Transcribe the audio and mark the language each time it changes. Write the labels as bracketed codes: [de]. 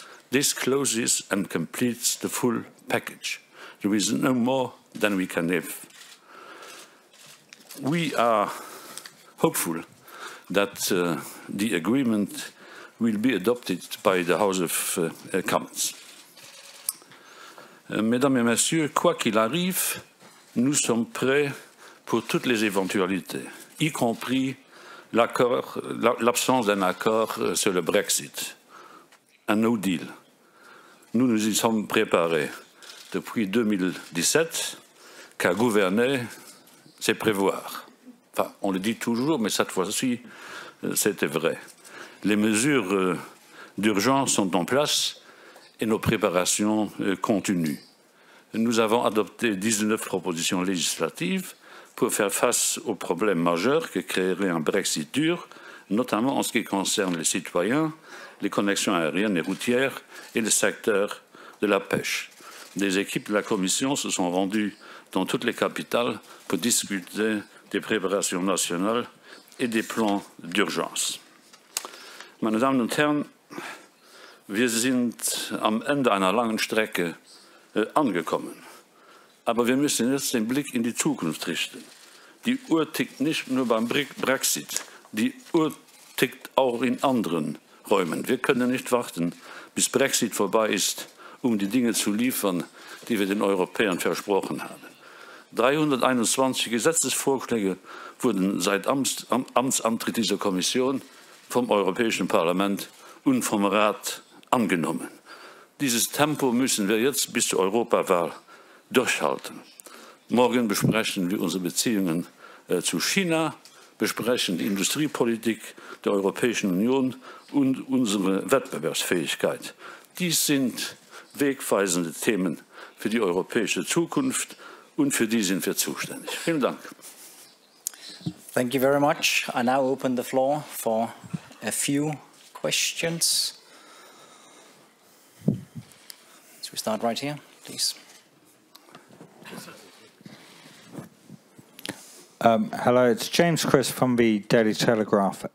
[en] This closes and completes the full package. There is no more than we can live. We are hopeful that the agreement will be adopted by the House of Commons. [fr] Mesdames et Messieurs, quoi qu'il arrive, nous sommes prêts pour toutes les éventualités, y compris l'absence d'un accord sur le Brexit, un [en] no deal. [fr] Nous nous y sommes préparés depuis 2017, car gouverner, c'est prévoir. Enfin, on le dit toujours, mais cette fois-ci, c'était vrai. Les mesures d'urgence sont en place et nos préparations continuent. Nous avons adopté 19 propositions législatives pour faire face aux problèmes majeurs que créerait un Brexit dur, notamment en ce qui concerne les citoyens, les connexions aériennes et routières et le secteur de la pêche. des équipes de la Commission se sont rendues dans toutes les capitales pour discuter des préparations nationales et des plans d'urgence. [de] Meine Damen und Herren, wir sind am Ende einer langen Strecke angekommen. Aber wir müssen jetzt den Blick in die Zukunft richten. Die Uhr tickt nicht nur beim Brexit, die Uhr tickt auch in anderen Räumen. Wir können nicht warten, bis Brexit vorbei ist, um die Dinge zu liefern, die wir den Europäern versprochen haben. 321 Gesetzesvorschläge wurden seit Amtsantritt dieser Kommission vom Europäischen Parlament und vom Rat angenommen. Dieses Tempo müssen wir jetzt bis zur Europawahl durchhalten. Morgen besprechen wir unsere Beziehungen zu China, besprechen die Industriepolitik der Europäischen Union und unsere Wettbewerbsfähigkeit. Dies sind wegweisende Themen für die europäische Zukunft und für die sind wir zuständig. Vielen Dank. [en] Thank you very much. I now open the floor for a few questions. So we start right here, please. Hello, it's James Crisp from the Daily Telegraph.